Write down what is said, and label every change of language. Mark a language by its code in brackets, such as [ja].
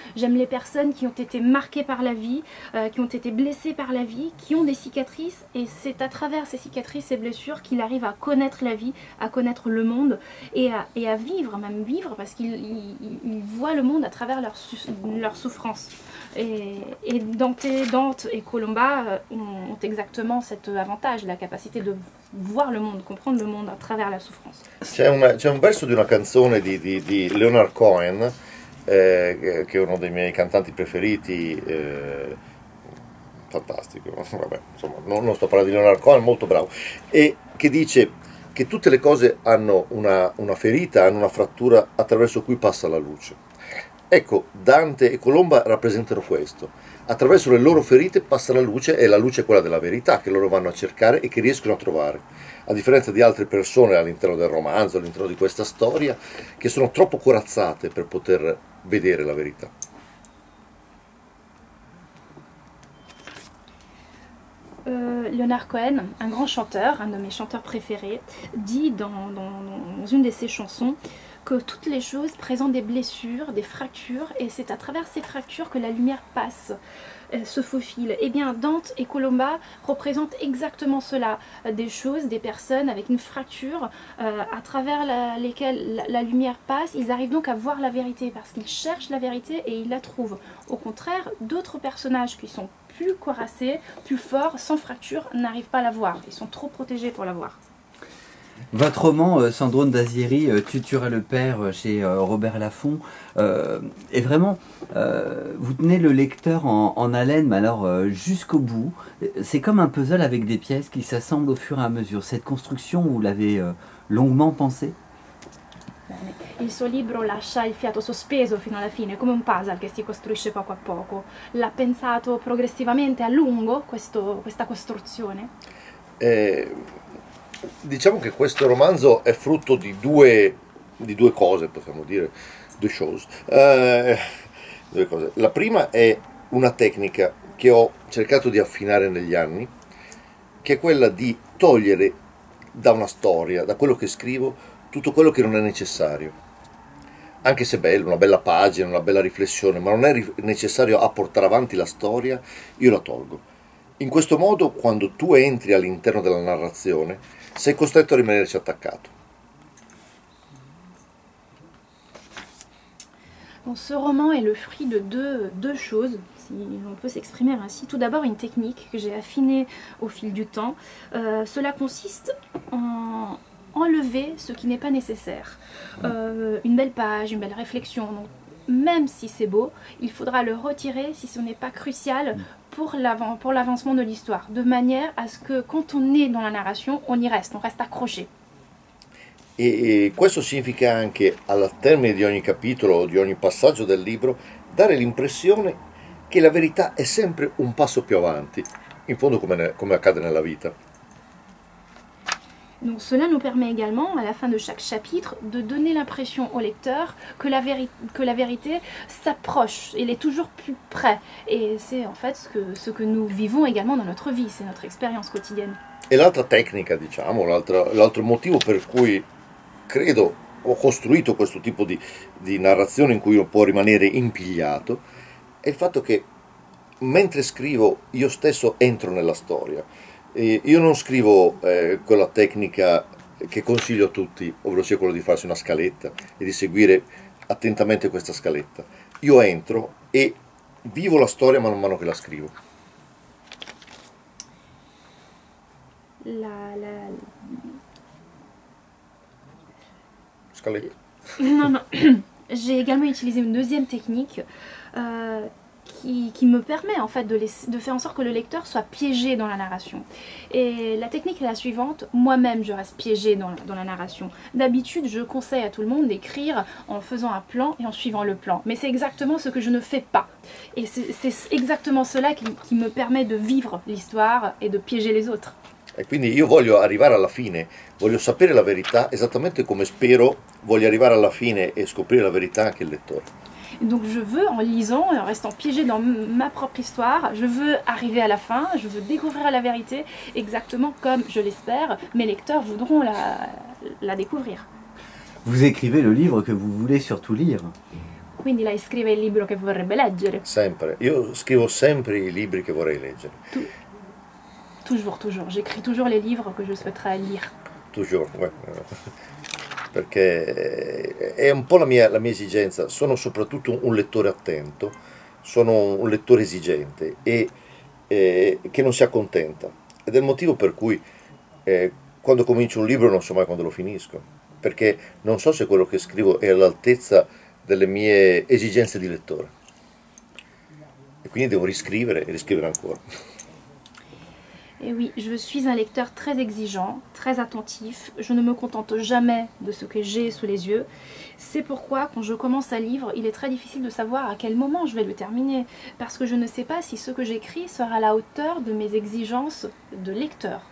[fr] J'aime les personnes qui ont été marquées par la vie, qui ont été blessées par la vie, qui ont des cicatrices, et c'est à travers ces cicatrices et blessures qu'il arrive à connaître la vie, à connaître le monde, et à vivre, même vivre, parce qu'il voit le monde à travers leur souffrance. Et Dante et Colomba ont exactement cet avantage, la capacité de voir le monde, comprendre le monde à travers la souffrance. [it] C'è un verso di una canzone di Leonard Cohen, che è uno dei miei cantanti preferiti, fantastico, vabbè, insomma, non sto parlando di Leonard Cohen, molto bravo, e che dice che tutte le cose hanno una ferita, hanno una frattura attraverso cui passa la luce. Ecco, Dante e Colomba rappresentano questo. Attraverso le loro ferite passa la luce, e la luce è quella della verità che loro vanno a cercare e che riescono a trovare. A differenza di altre persone all'interno del romanzo, all'interno di questa storia, che sono troppo corazzate per poter vedere la verità. [fr] Leonard Cohen, un grand chanteur, un de mes chanteurs préférés, dit dans une de ses chansons que toutes les choses présentent des blessures, des fractures, et c'est à travers ces fractures que la lumière passe, se faufile. Eh bien, Dante et Colomba représentent exactement cela, des choses, des personnes avec une fracture à travers lesquelles la lumière passe. Ils arrivent donc à voir la vérité parce qu'ils cherchent la vérité et ils la trouvent. Au contraire, d'autres personnages qui sont plus cuirassés, plus forts, sans fracture, n'arrivent pas à la voir. Ils sont trop protégés pour la voir. Votre roman, Sandro Ndaziri, Tu tueras le père, chez Robert Laffont, est vraiment, vous tenez le lecteur en haleine, mais alors jusqu'au bout. C'est comme un puzzle avec des pièces qui s'assemblent au fur et à mesure. Cette construction, vous l'avez longuement pensée? [it] Il suo libro lascia il fiato sospeso fino alla fine, come un puzzle che si costruisce poco a poco. L'ha pensato progressivamente a lungo questa costruzione? Diciamo che questo romanzo è frutto di due cose, possiamo dire, due choses. Due cose. La prima è una tecnica che ho cercato di affinare negli anni, che è quella di togliere da una storia, da quello che scrivo, tutto quello che non è necessario. Anche se bello, una bella pagina, una bella riflessione, ma non è necessario a portare avanti la storia, io la tolgo. In questo modo, quando tu entri all'interno della narrazione, sei costretto a rimanerci attaccato. [fr] Bon, ce roman est le fruit de deux choses. On peut s'exprimer ainsi. Tout d'abord, une technique que j'ai affinée au fil du temps. Cela consiste en enlever ce qui n'est pas nécessaire. Une belle page, une belle réflexion. Donc, même si c'est beau, il faudra le retirer si ce n'est pas crucial pour l'avancement de l'histoire. De manière à ce que, quand on est dans la narration, on reste accroché. [it] Et questo significa anche, al termine di ogni capitolo o di ogni passaggio del libro, dare l'impressione che la verità è sempre un passo più avanti, in fondo come accade nella vita. [fr] Donc cela nous permet également, à la fin de chaque chapitre, de donner l'impression au lecteur que la vérité s'approche, elle est toujours plus près. Et c'est en fait ce que nous vivons également dans notre vie, c'est notre expérience quotidienne. [it] Et l'altra tecnica, diciamo, l'altro motivo per cui credo ho costruito questo tipo di narrazione in cui uno può rimanere impigliato, è il fatto che mentre scrivo io stesso entro nella storia. E io non scrivo quella tecnica che consiglio a tutti, ovvero sia quello di farsi una scaletta e di seguire attentamente questa scaletta. Io entro e vivo la storia man mano che la scrivo. [fr] J'ai également utilisé une deuxième technique qui me permet en fait de faire en sorte que le lecteur soit piégé dans la narration. Et la technique est la suivante, moi-même je reste piégé dans la narration. D'habitude je conseille à tout le monde d'écrire en faisant un plan et en suivant le plan. Mais c'est exactement ce que je ne fais pas. Et c'est exactement cela qui me permet de vivre l'histoire et de piéger les autres. [it] E quindi io voglio arrivare alla fine, voglio sapere la verità esattamente come spero voglio arrivare alla fine e scoprire la verità anche il lettore. [fr] Donc je veux en lisant en restant piégé dans ma propre histoire, je veux arriver à la fin, je veux découvrir la vérité exactement comme je l'espère mes lecteurs voudront la découvrir. Vous écrivez le livre que vous voulez surtout lire. [it] Quindi lei scrive il libro che vorrebbe leggere. Sempre, io scrivo sempre i libri che vorrei leggere. [fr] Toujours. J'écris toujours les livres que je souhaiterais lire. Toujours, oui. Parce que c'est un peu [it] la mia esigenza. Sono soprattutto un lettore attento, sono un lettore esigente e che non si accontenta. Ed è il motivo per cui quando comincio un libro non so mai quando lo finisco. Perché non so se quello che scrivo è all'altezza delle mie esigenze di lettore. E quindi devo riscrivere e riscrivere ancora. [fr] Et oui, je suis un lecteur très exigeant, très attentif. Je ne me contente jamais de ce que j'ai sous les yeux. C'est pourquoi, quand je commence un livre, il est très difficile de savoir à quel moment je vais le terminer. Parce que je ne sais pas si ce que j'écris sera à la hauteur de mes exigences de lecteur.